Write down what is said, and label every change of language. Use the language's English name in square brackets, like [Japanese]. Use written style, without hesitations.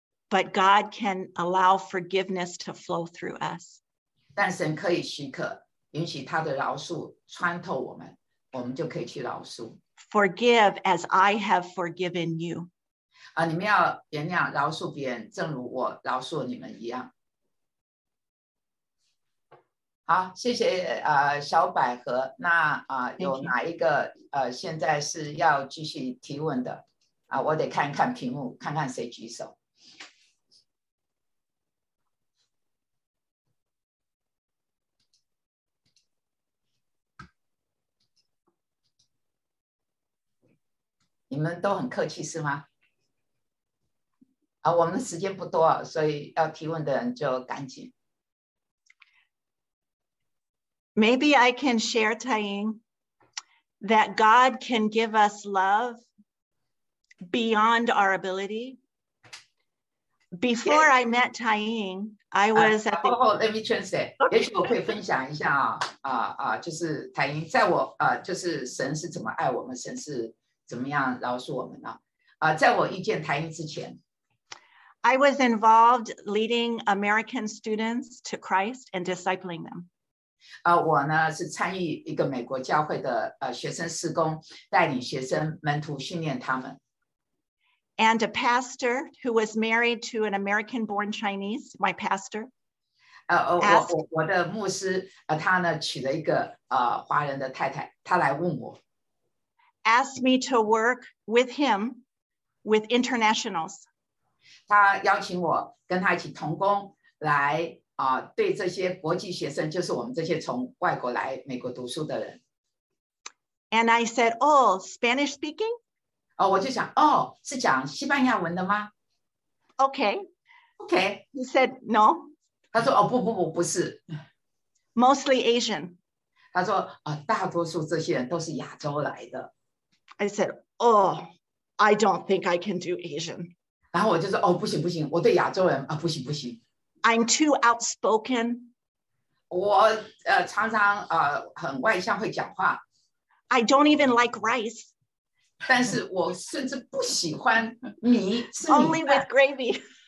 [English] But God can allow forgiveness to flow through us. [Chinese] 但神可以许可，允许他的饶恕穿透我们，我们就可以去饶恕。 [English] Forgive as I have forgiven you. [Chinese] 你们要原谅饶恕别人，正如我饶恕你们一样。好，谢谢小百合。那有哪一个现在是要继续提问的？我得看看屏幕，看看谁举手。你们都很客气是吗？我们时间不多，所以要提问的人就赶紧。 [English] Maybe I can share, Taying, that God can give us love beyond our ability. Before I met Taying, I was at the. Let me translate. [Chinese] 也许我可以分享一下就是Taying，在我就是神是怎么爱我们，神是。怎么样饶恕我们呢？在我遇见台英之前 [English] I was involved leading American students to Christ and discipling them. [Chinese] 我呢是参与一个美国教会的学生事工，带领学生门徒训练他们。 [English] And a pastor who was married to an American-born Chinese, my pastor. [Chinese] 我的牧师他呢娶了一个华人的太太，他来问我。 [English] Asked me to work with him with internationals. [Chinese] 他邀请我跟他一起同工来。对这些国际学生，就是我们这些从外国来美国读书的人。 [English] And I said, oh, Spanish speaking? [Chinese] 我就想，是讲西班牙文的吗？ [English] Okay. Okay. He said, no. [Chinese] 他说，不是。 [English] Mostly Asian. [Chinese] 他说，大多数这些人都是亚洲来的。 [English] I said, I don't think I can do Asian. [Chinese] 然后我就说，不行，我对亚洲人，不行。 [English] I'm too outspoken. [Chinese] 我常常很外向，会讲话。 [English] I don't even like rice. [Chinese] 但是我甚至不喜欢米，是米饭。 [English] Only with gravy.